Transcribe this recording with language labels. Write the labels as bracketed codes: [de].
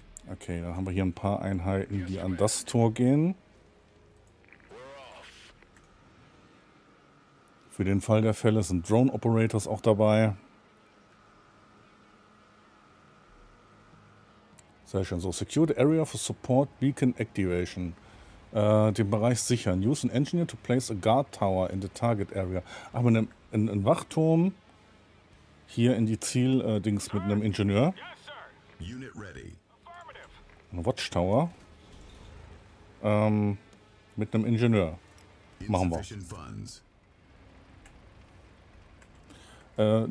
[de] Okay, dann haben wir hier ein paar Einheiten, die an das Tor gehen. Für den Fall der Fälle sind Drone Operators auch dabei. Sehr schön. So, [en] Secured Area for Support Beacon Activation. [de] Den Bereich sichern. [en] Use an Engineer to place a Guard Tower in the Target Area. [de] Ach, mit einem Wachturm hier in die Ziel-Dings mit einem Ingenieur. [en] Unit ready. [de] Eine Watchtower mit einem Ingenieur. Machen wir.